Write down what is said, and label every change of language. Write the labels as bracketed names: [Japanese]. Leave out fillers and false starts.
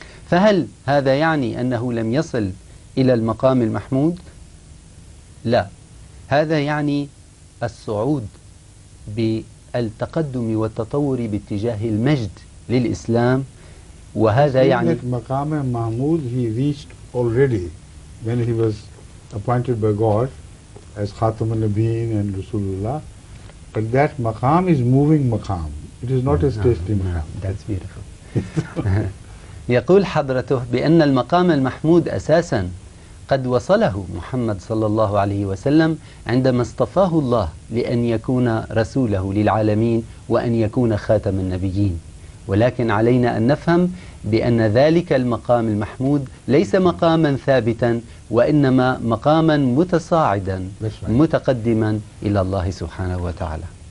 [Arabic] فهل هذا يعني أنه لم يصل إلى المقام المحمود؟ لا، هذا يعني الصعود بالتقدم والتطور باتجاه المجد للإسلام، وهذا يعني مقام محمود. [English] He reached already when he was appointed by God as [Arabic] خاتم النبيين [English] and [Arabic] رسول الله. [English] But that مقام is moving مقام. It is not a stationary مقام. That's beautiful. [Arabic] يقول حضرته بأن المقام المحمود أساساً قد وصله محمد صلى الله عليه وسلم عندما اصطفاه الله لأن يكون رسوله للعالمين وأن يكون خاتم النبيين. ولكن علينا أن نفهم بأن ذلك المقام المحمود ليس مقاما ثابتا، وإنما مقاما متصاعدا متقدما إلى الله سبحانه وتعالى.